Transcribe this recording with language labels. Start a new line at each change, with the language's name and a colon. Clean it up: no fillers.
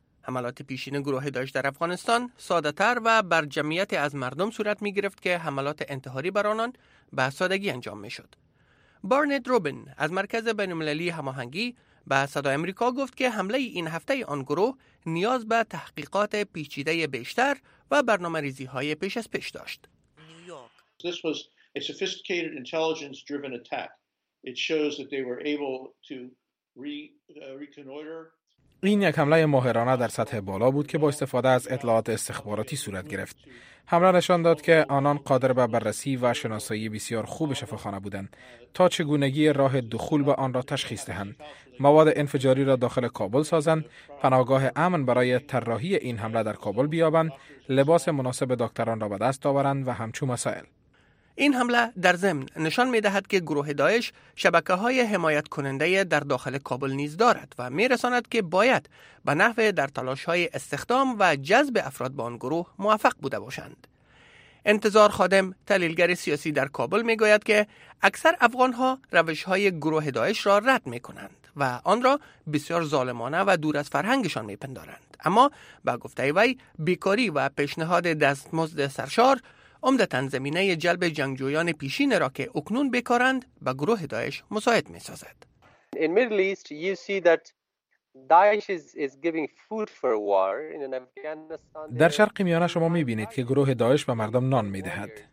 Persian: حملات پیشین گروه داعش در افغانستان ساده تر و بر جمعیت از مردم صورت می گرفت که حملات انتحاری بر آنان به سادگی انجام می شد. بارنت روبن از مرکز بین المللی هماهنگی به صدای امریکا گفت که حمله این هفته آن گروه نیاز به تحقیقات پیچیده بیشتر و برنامه ریزی های پیش از پیش داشت.
English: This was a sophisticated intelligence driven attack. It shows that they were able to reconnoiter.
Persian: این یک حمله ماهرانه در سطح بالا بود که با استفاده از اطلاعات استخباراتی صورت گرفت. حمله نشان داد که آنان قادر به بررسی و شناسایی بسیار خوب شفاخانه بودند تا چگونگی راه دخول به آن را تشخیص دهند. مواد انفجاری را داخل کابل سازند، پناهگاه امن برای طراحی این حمله در کابل بیابند، لباس مناسب دکتران را به دست آورند و همچون مسائل. این حمله در ضمن نشان می‌دهد که گروه داعش شبکه‌های حمایت کننده در داخل کابل نیز دارد و می‌رساند که باید به نحو در تلاش‌های استخدام و جذب افراد به آن گروه موفق بوده باشند. انتظار خادم، تحلیلگر سیاسی در کابل می‌گوید که اکثر افغان‌ها روش‌های گروه داعش را رد می‌کنند و آن را بسیار ظالمانه و دور از فرهنگشان می‌پندارند. اما با گفته وی، بیکاری و پیشنهاد دستمزد سرشار عمدتاً زمینه جلب جنگجویان پیشین را که اکنون بیکارند به گروه داعش مساعد می سازد.
English: In Middle East you see that Daesh is giving food for war in Afghanistan.
Persian: در شرق میانه شما می بینید که گروه داعش به مردم نان می دهد.